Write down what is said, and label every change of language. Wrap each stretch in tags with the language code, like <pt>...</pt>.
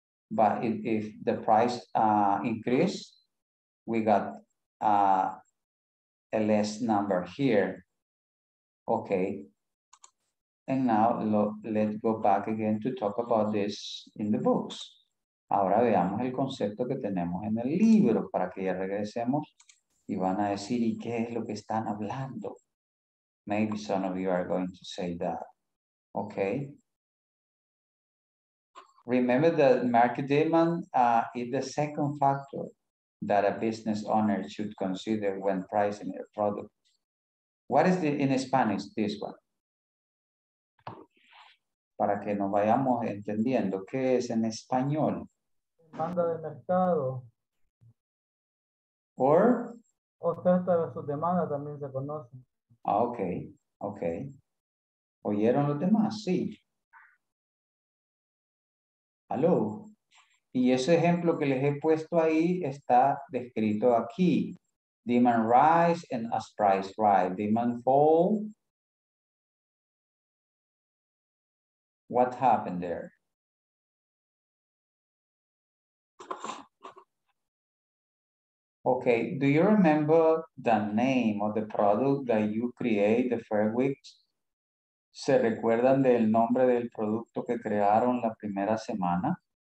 <en>But if the price increase, we got a less number here. Okay. And now let's go back again to talk about this in the books.</en> <es>Ahora veamos el concepto que tenemos en el libro para que ya regresemos y van a decir, ¿y qué es lo que están hablando?</es> <en>Maybe some of you are going to say that. Okay. Remember that market demand is the second factor that a business owner should consider when pricing a product. What is the in Spanish this one?</en> <es>Para que nos vayamos entendiendo, ¿qué es en español? Demanda de mercado.</es> <en>Or?</en> <es>Oferta de su demanda también se conoce. Ah, okay, okay. ¿Oyeron los demás? Sí. Aló. Y ese ejemplo que les he puesto ahí está descrito aquí.</es> <en>Demand rise and as price rise. Demand fall. What happened there? Okay, do you remember the name of the product that you create the first week?</en> <es>¿Se recuerdan del nombre del producto que crearon la primera semana?</es>